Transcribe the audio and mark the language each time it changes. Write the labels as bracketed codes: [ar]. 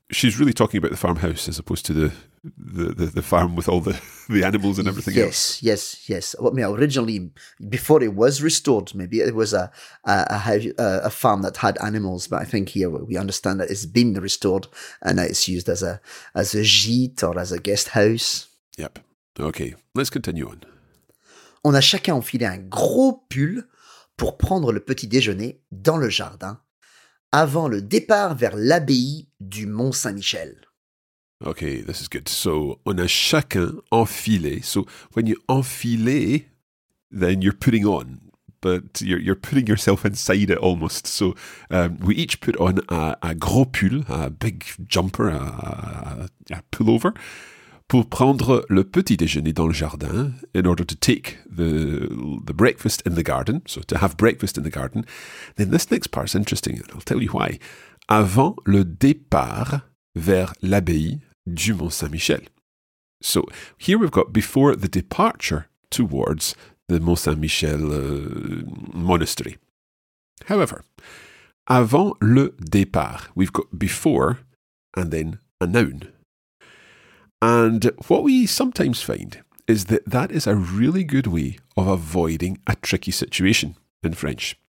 [en] She's really talking about the farmhouse as opposed to the farm with all the animals and everything else. Yes, yes, yes. Well, I mean, originally, before it was restored, maybe it was a farm that had animals. But I think here we understand that it's been restored and that it's used as a gîte or as a guest house. Yep. Okay, let's continue on. [fr] On a chacun enfilé un gros pull pour prendre le petit déjeuner dans le jardin avant le départ vers l'abbaye du Mont Saint-Michel. [en] Okay, this is good. So, [fr] on a chacun enfilé. [en] So, when you enfilé, then you're putting on, but you're putting yourself inside it almost. So, we each put on a gros pull, a big jumper, a pullover, [fr] pour prendre le petit déjeuner dans le jardin, [en] in order to take the breakfast in the garden, so to have breakfast in the garden. Then this next part is interesting, and I'll tell you why. [fr] Avant le départ vers l'abbaye, du Mont Saint-Michel. [en] So here we've got before the departure towards the Mont Saint-Michel monastery. However, [fr] avant le départ, [en] we've got before and then a noun. And what we sometimes find is that that is a really good way of avoiding a tricky situation in French.